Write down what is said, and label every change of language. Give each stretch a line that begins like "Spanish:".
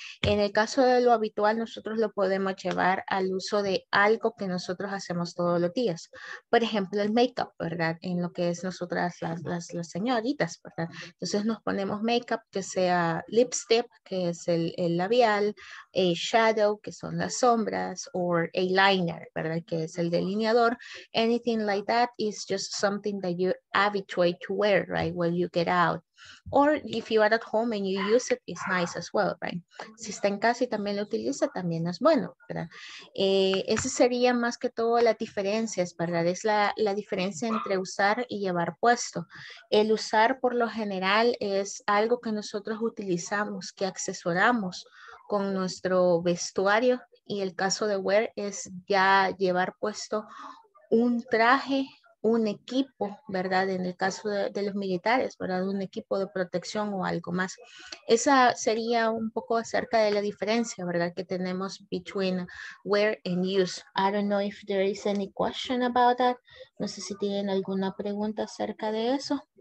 Spanish: En el caso de lo habitual, nosotros lo podemos llevar al uso de algo que nosotros hacemos todos los días. Por ejemplo, el makeup, ¿verdad? En lo que es nosotras las señoritas, ¿verdad? Entonces nos ponemos makeup, que sea lipstick, que es el labial, a shadow, que son las sombras, o eyeliner, ¿verdad? Que es el delineador.
English: Anything like that is just something that you habituate to wear, right, when you get out. Or if you are at home and you use it, it's nice as well, right?
Spanish: Si está en casa y también lo utiliza, también es bueno, ¿verdad? Esa sería más que todo las diferencias, ¿verdad? Es la diferencia entre usar y llevar puesto. El usar, por lo general, es algo que nosotros utilizamos, que accesoramos con nuestro vestuario. Y el caso de wear es ya llevar puesto un traje un equipo, ¿verdad? En el caso de los militares, ¿verdad? Un equipo de protección o algo más. Esa sería un poco acerca de la diferencia, ¿verdad? Que tenemos
English: between wear and use. I don't know if there is any question about that.
Spanish: No sé si tienen alguna pregunta acerca de eso.